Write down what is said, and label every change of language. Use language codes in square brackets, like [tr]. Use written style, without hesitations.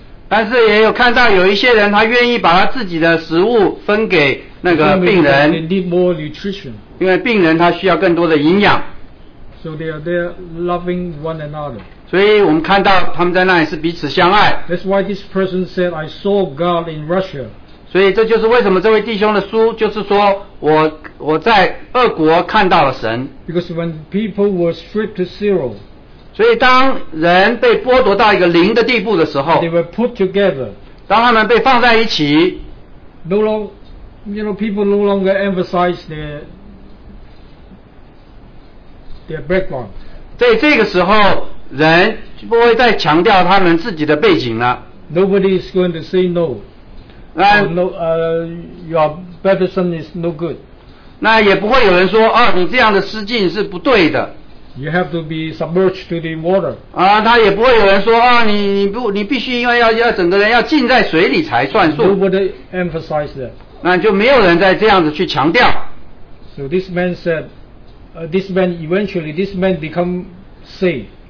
[zh] 但是也有看到有一些人，他愿意把他自己的食物分给那个病人，因为病人他需要更多的营养。 [en] So they are there loving one another. [zh] 所以我们看到他们在那里是彼此相爱。 [en] That's why this person said, "I saw God in Russia." [zh] 所以这就是为什么这位弟兄的书就是说我在俄国看到了神。 [en] Because when people were stripped to zero. [zh] 所以当人被剥夺到一个零的地步的时候 [en] they were put together, [zh] 当他们被放在一起 [en] no longer, you know, people no longer emphasize their background [zh] 在这个时候人就不会再强调他们自己的背景了 [en] nobody is going to say no, no your baptism is no good [zh] 那也不会有人说、啊、你这样的施浸是不对的 [en] You have to be submerged to the water. [zh] 啊，他也不会有人说啊，你必须因为要整个人要浸在水里才算数。 [en] Nobody emphasized that. [zh] 那就没有人再这样子去强调。 [en] So this man said, this man eventually, this man become saved.